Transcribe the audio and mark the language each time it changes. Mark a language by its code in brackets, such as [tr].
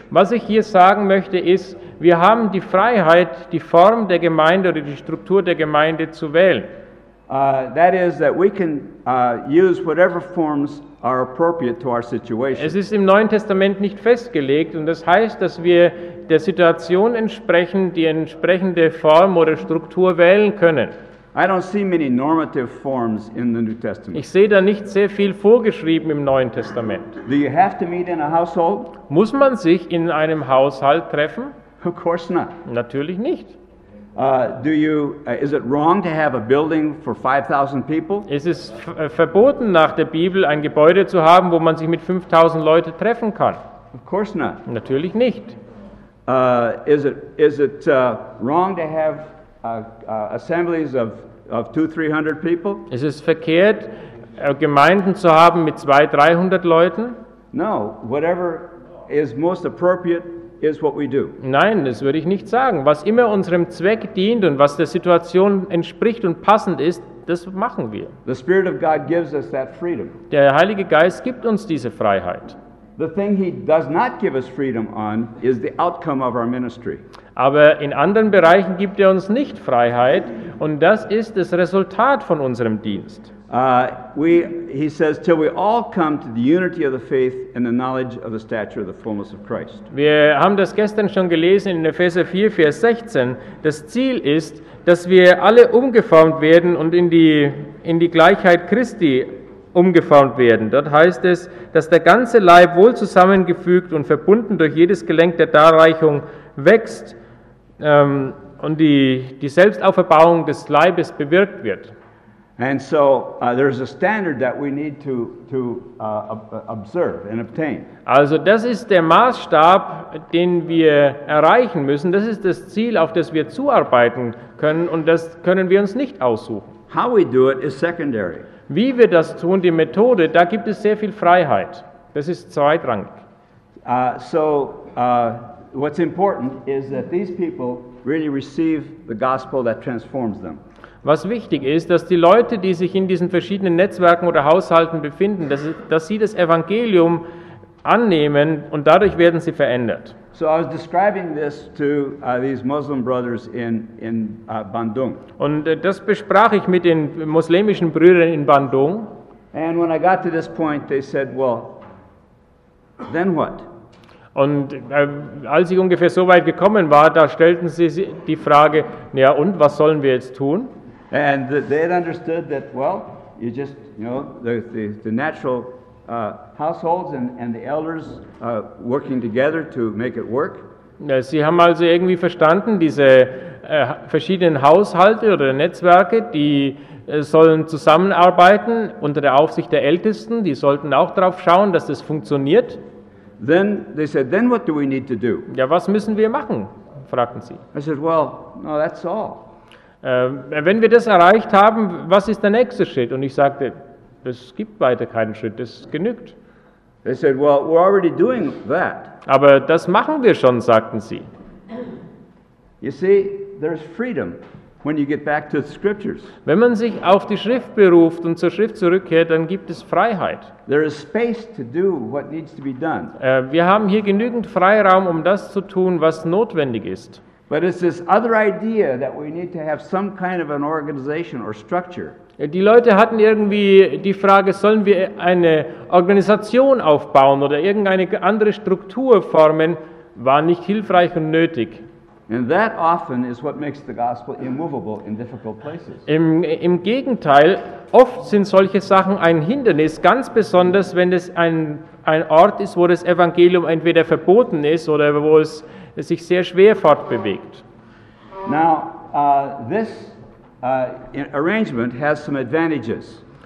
[de] Was ich hier sagen möchte ist, wir haben die Freiheit, die Form der Gemeinde oder die Struktur der Gemeinde zu wählen. [en] That is that we can use whatever forms are appropriate to our situation. [de] Es ist im Neuen Testament nicht festgelegt und das heißt, dass wir der Situation entsprechend die entsprechende Form oder Struktur wählen können. [en] I don't see many normative forms in the New Testament. [de] Ich sehe da nicht sehr viel vorgeschrieben im Neuen Testament. [en] Do you have to meet in a household? [de] Muss man sich in einem Haushalt treffen? [en] Of course not. [de] Natürlich nicht. [en] Is it wrong to have a building for 5,000 people? [de] Ist es verboten nach der Bibel ein Gebäude zu haben, wo man sich mit 5,000 Leuten treffen kann? [en] Of course not. [de] Natürlich nicht. [en] Is it wrong to have assemblies of 200-300 people? [de] Es ist verkehrt, Gemeinden zu haben mit 200-300 Leuten? [en] No, whatever is most appropriate is what we do. [de] Nein, das würde ich nicht sagen. Was immer unserem Zweck dient und was der Situation entspricht und passend ist, das machen wir. [en] The Spirit of God gives us that freedom. [de] Der Heilige Geist gibt uns diese Freiheit. [en] The thing he does not give us freedom on is the outcome of our ministry. [de] Aber in anderen Bereichen gibt er uns nicht Freiheit, und das ist das Resultat von unserem Dienst. [en] He says, till we all come to the unity of the faith and the knowledge of the stature of the fullness of Christ. [de] Wir haben das gestern schon gelesen in Epheser 4, Vers 16. Das Ziel ist, dass wir alle umgeformt werden und in die Gleichheit Christi umgeformt werden. Dort heißt es, dass der ganze Leib wohl zusammengefügt und verbunden durch jedes Gelenk der Darreichung wächst und die Selbstauferbauung des Leibes bewirkt wird. [en] And so there's a standard that we need to observe and obtain. [de] Also das ist der Maßstab, den wir erreichen müssen. Das ist das Ziel, auf das wir zuarbeiten können, und das können wir uns nicht aussuchen. [en] How we do it is secondary. [de] Wie wir das tun, die Methode, da gibt es sehr viel Freiheit. Das ist zweitrangig. [en] What's important is that these people really receive the gospel that transforms them. [de] Was wichtig ist, dass die Leute, die sich in diesen verschiedenen Netzwerken oder Haushalten befinden, dass sie das Evangelium annehmen, und dadurch werden sie verändert. [en] So I was describing this to these Muslim brothers in Bandung. [de] Und das besprach ich mit den muslimischen Brüdern in Bandung. [en] And when I got to this point, they said, well, then what? [de] Und als ich ungefähr so weit gekommen war, da stellten sie die Frage, ja, und was sollen wir jetzt tun? [en] And they had understood that, well, you just, you know, the natural households and the elders working together to make it work. [de] Ja, sie haben also irgendwie verstanden, diese verschiedenen Haushalte oder Netzwerke, die sollen zusammenarbeiten unter der Aufsicht der Ältesten, die sollten auch darauf schauen, dass das funktioniert. [en] Then they said, then what do we need to do? [de] Ja, was müssen wir machen, fragten sie. [en] I said, well, no, that's all. [de] Wenn wir das erreicht haben, was ist der nächste Schritt? Und ich sagte, es gibt weiter keinen Schritt, das genügt. [en] They said, well, we're already doing that. [de] Aber das machen wir schon, sagten sie. [en] You see, there's freedom when you get back to the scriptures. [de] Wenn man sich auf die Schrift beruft und zur Schrift zurückkehrt, dann gibt es Freiheit. [en] There is space to do what needs to be done. [de] Wir haben hier genügend Freiraum, um das zu tun, was notwendig ist. [en] But it's this other idea that we need to have some kind of an organization or structure. [de] Die Leute hatten irgendwie die Frage, sollen wir eine Organisation aufbauen oder irgendeine andere Struktur formen, war nicht hilfreich und nötig. [en] And that often is what makes the gospel immovable in difficult places. [de] Im Gegenteil, oft sind solche Sachen ein Hindernis, ganz besonders wenn es ein Ort ist, wo das Evangelium entweder verboten ist oder wo es sich sehr schwer fortbewegt. [en] Now, this arrangement has some advantages.